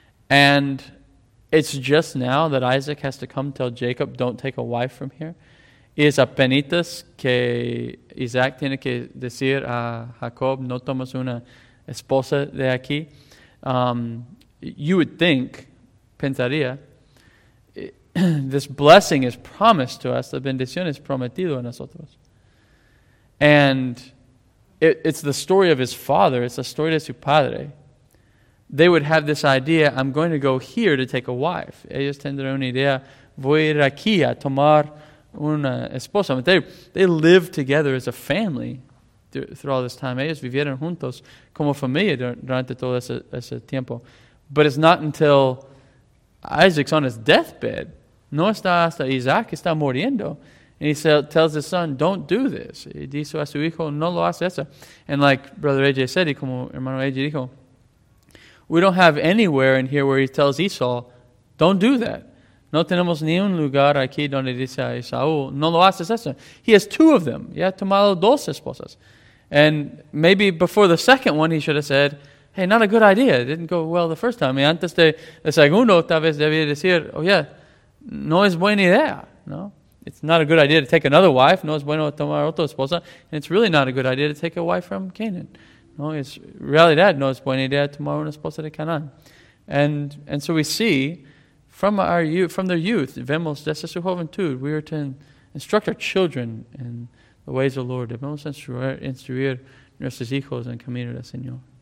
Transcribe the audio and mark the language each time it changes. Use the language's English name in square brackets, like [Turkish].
[English] And it's just now that Isaac has to come tell Jacob, don't take a wife from here. [Spanish] Es apenitas que Isaac tiene que decir a Jacob, no tomas una esposa de aquí. You would think, pensaría, this blessing is promised to us. La bendición es prometido a nosotros. [English] And it's the story of his father. It's the story [Spanish] de su padre. [English] They would have this idea, I'm going to go here to take a wife. [Spanish] Ellos tendrán una idea, voy a ir aquí a tomar una esposa. [English] But they lived together as a family through all this time. [Spanish] Ellos vivieron juntos como familia durante todo ese tiempo. [English] But it's not until Isaac's on his deathbed. [Spanish] No está hasta Isaac está muriendo. [English] And he tells his son, don't do this. [Spanish] Y dice a su hijo, no lo hace eso. [English] And like Brother AJ said, [Spanish] y como hermano AJ dijo, [English] we don't have anywhere in here where he tells Esau, don't do that. [Spanish] No tenemos ni un lugar aquí donde dice a Esau, no lo haces eso. [English] He has two of them. [Spanish] Ya ha tomado dos esposas. [English] And maybe before the second one, he should have said, hey, not a good idea. It didn't go well the first time. [Spanish] Y antes de el segundo, tal vez debía decir, oh yeah, no es buena idea, no? [English] It's not a good idea to take another wife. [Spanish] No es bueno tomar otra esposa. [English] And it's really not a good idea to take a wife from Canaan. No, it's really that. [Spanish] No es buena idea tomar una esposa de Canaan. [English] And so we see from their youth, [Spanish] vemos desde su juventud, [English] we are to instruct our children in the ways of the Lord. [Spanish] Debemos instruir nuestros hijos en camino del Señor.